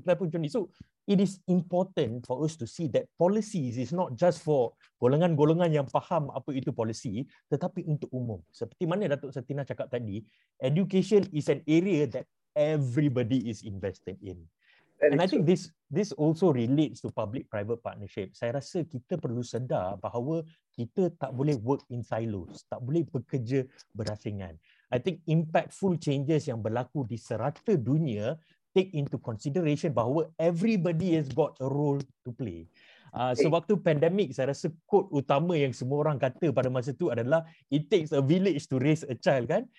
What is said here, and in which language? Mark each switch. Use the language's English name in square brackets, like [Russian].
[Malay] Kenapa macam ni? [English] So, it is important for us to see that policies is not just for [Malay] golongan-golongan yang faham apa itu [English] policy, [Malay] tetapi untuk umum. Seperti mana Datuk Satina cakap tadi, [English] education is an area that everybody is invested in. And I think this also relates to public-private partnership. [Malay] Saya rasa kita perlu sedar bahawa kita tak boleh [English] work in silos, [Malay] tak boleh bekerja berasingan. [English] I think impactful changes [Malay] yang berlaku di serata dunia [English] take into consideration bahawa everybody has got a role to play. [Malay] Waktu pandemik, saya rasa quote utama yang semua orang kata pada masa itu adalah [English] it takes a village to raise a child, [Malay] kan?